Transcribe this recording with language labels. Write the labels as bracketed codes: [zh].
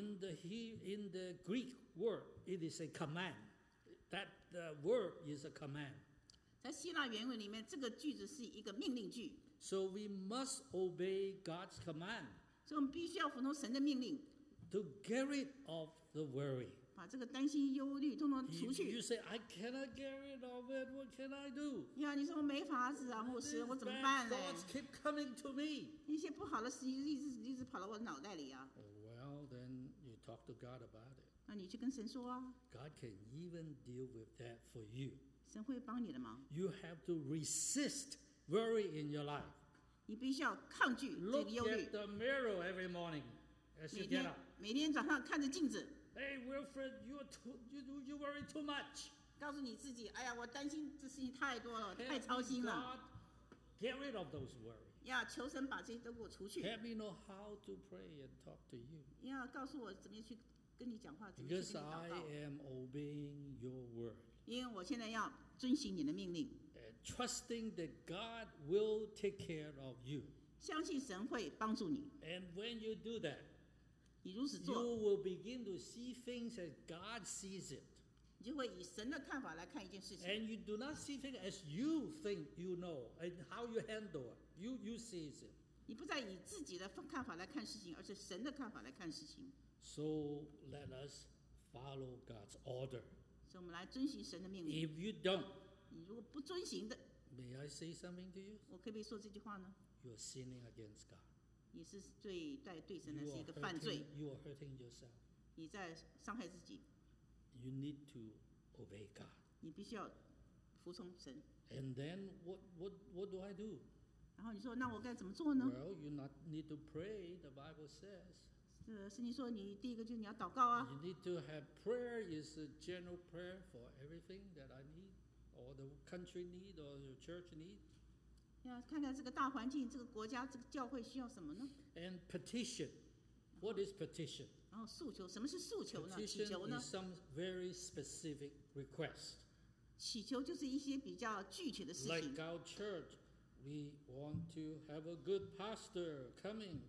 [en] In the Greek word, it is a command. That the word is a command. [zh] 在希腊原文里面，这个句子是一个命令句。 [en] So we must obey God's command. [zh] 所以我们必须要服从神的命令。 [en] To get rid of the worry. [zh] 把这个担心忧虑统统除去。 [en] You say, I cannot get rid of it. What can I do? [zh] 你说我没法子啊，牧师，我怎么办呢？ [en] These bad thoughts keep coming to me. [zh] 一些不好的事情一直跑到我脑袋里啊。 [en] Well, then you talk to God about it. [zh] 那你去跟神说啊。 [en] God can even deal with that for you. [zh] 神会帮你的吗？ [en] You have to resist worry in your life. [zh] 你必须要抗拒这个忧虑。 [en] Look at the mirror every morning as you get up. [zh] 每天早上看着镜子。 [en] Hey, Wilfred, you worry too much. [zh] 告诉你自己，哎呀，我担心这事情太多了，太操心了。 [en] Get rid of those worries. [zh] 求神把这些都给我除去。 [en] Let me know how to pray and talk to you. [zh] 告诉我怎么去跟你讲话，怎么去跟你祷告。 [en] Because I am obeying your word. [zh] 因为我现在要遵循你的命令。 [en] Trusting that God will take care of you. [zh] 相信神会帮助你。 [en] And when you do that, [zh] 你如此做, [en] you will begin to see things as God sees it. [zh] 你就会以神的看法来看一件事情。 [en] And you do not see things as you think you know and how you handle it. You see it. [zh] 你不再以自己的看法来看事情，而是神的看法来看事情。 [en] So let us follow God's order. [zh] 所以我们来遵循神的命令。 [en] If you don't, [zh] 你如果不遵循的 [en] ，May I say something to you? [zh] 我可不可以说这句话呢 [en] ？You are sinning against God. [zh] 你是对神来是一个犯罪。 [en] You are hurting yourself. [zh] 你在伤害自己。 [en] You need to obey God. [zh] 你必须要服从神。 [en] And then what do I do? [zh] 然后你说那我该怎么做呢 [en] ？Well, you not need to pray. The Bible says. [zh] 圣经说你第一个就是你要祷告啊。 [en] You need to have prayer. Is a general prayer for everything that I need, or the country need, or the church need. [zh] 要看看这个大环境，这个国家，这个教会需要什么呢 [en] ？And petition. What is petition? [zh] 然后诉求，什么是诉求呢？ [en] Petition、 [zh] 祈求呢 [en] is some very specific request. [zh] 祈求就是一些比较具体的事情。 [en] Like our church, we want to have a good pastor coming.